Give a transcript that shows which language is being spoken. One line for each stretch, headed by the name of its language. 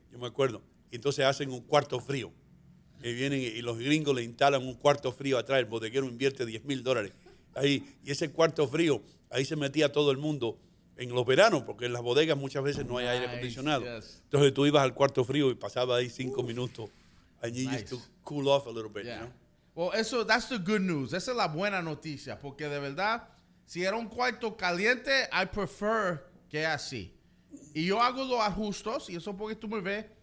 Spanish: Yo me acuerdo. Y entonces hacen un cuarto frío. Y vienen y los gringos le instalan un cuarto frío atrás. El bodeguero invierte $10,000 ahí. Y ese cuarto frío, ahí se metía todo el mundo en los veranos, porque en las bodegas muchas veces no hay aire acondicionado.
English: Yes.
Spanish: Entonces tú ibas al cuarto frío y pasabas ahí cinco minutos.
English: And you used to cool off a little bit, yeah. You know? Well,
Spanish: eso,
English: that's the good news.
Spanish: Esa es la buena noticia, porque de verdad, si era un cuarto caliente,
English: I prefer
Spanish: que así. Y yo hago los ajustes, y eso porque tú me ves